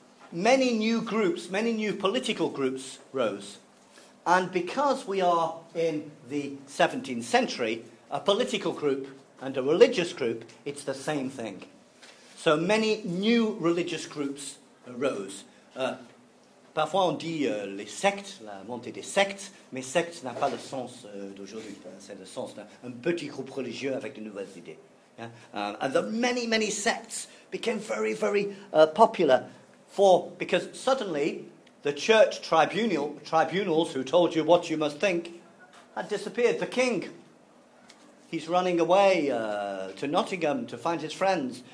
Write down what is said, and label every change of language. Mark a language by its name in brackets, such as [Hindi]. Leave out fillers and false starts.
[English] Many new political groups rose. And because we are in the 17th century, a political group and a religious group, it's the same thing. So many new religious groups rose. [French] Parfois on dit les sectes, la montée des sectes, mais sectes n'a pas le sens d'aujourd'hui. C'est le sens d'un petit groupe religieux avec de nouvelles idées. [English] And the many, many sects became very, very popular. Because suddenly the church tribunals who told you what you must think had disappeared. The king, he's running away to Nottingham to find his friends.